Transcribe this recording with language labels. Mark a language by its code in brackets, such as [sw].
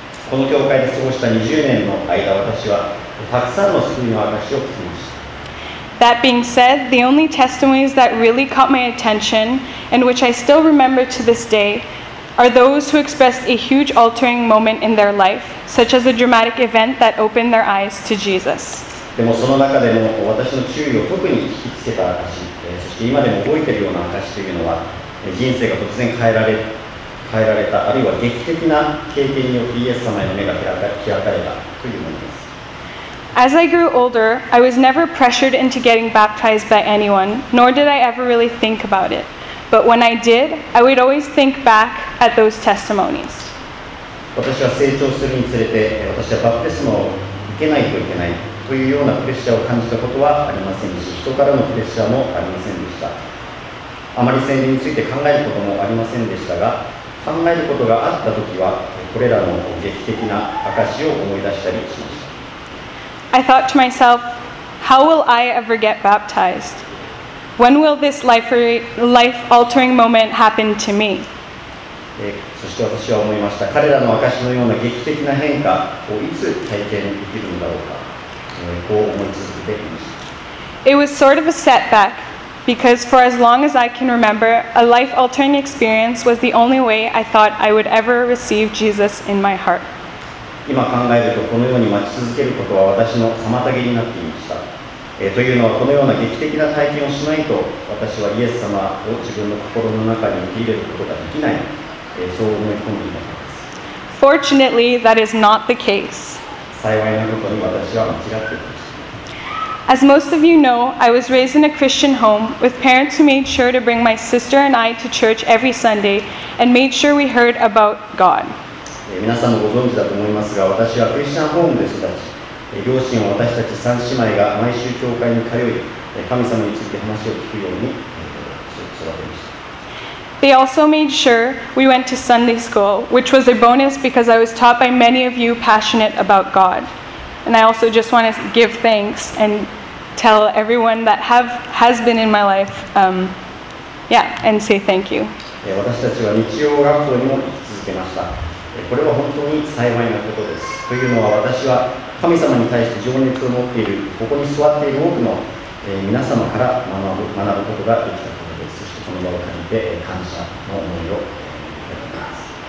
[en] That being said, the only testimonies that really caught my attention and which I still remember to this day. Are those who expressed a huge altering moment in their life, such as a dramatic event that opened their eyes to Jesus. [ja] でもその中でも私の注意を特に引きつけた証し、そして今でも覚えているような証しというのは、人生が突然変えられ、変えられた、あるいは劇的な経験によってイエス様への目が開かれたというものです。 [en] As I grew older, I was never pressured into getting baptized by anyone, nor did I ever really think about it. But when I did, I would always think back at those testimonies. [ja] 私は成長するにつれて、私はバプテスマを受けないといけないというようなプレッシャーを感じたことはありませんでした。人からのプレッシャーもありませんでした。あまり洗礼について考えることもありませんでしたが、考えることがあったときは、これらの劇的な証を思い出したりしました。 [en] I thought to myself, how will I ever get baptized? When will this life-altering moment happen to me? [ja] そして私は思いました。彼らの証のような劇的な変化をいつ体験できるんだろうか。こう思い続けていました。 [en] It was sort of a setback, because for as long as I can remember, a life-altering experience was the only way I thought I would ever receive Jesus in my heart. [ja] 今考えるとこのように待ち続けることは私の妨げになっていました。というのはこのような劇的な体験をしないと私はイエス様を自分の心の中に受け入れることができない、そう思い込んでいたのです。 [en] Fortunately, that is not the case. [ja] 幸いなことに私は間違っていました。 [en] As most of you know, I was raised in a Christian home with parents who made sure to bring my sister and I to church every Sunday and made sure we heard about God. [ja] 皆さんもご存知だと思いますが、私はクリスチャンホームで育ち、両親は私たち3姉妹が毎週教会に通い、神様について話を聞くように育てました。 [en] They also made sure we went to Sunday school, which was a bonus because I was taught by many of you passionate about God. And I also just want to give thanks and tell everyone that has been in my life, and say thank you. [ja] 私たちは日曜学校にも行き続けました。これは本当に幸いなことです。というのは私は神様に対して情熱を持っている、ここに座っている多くの皆様から学ぶことができたことです。そしてこの場を借りて感謝の思いを持っています。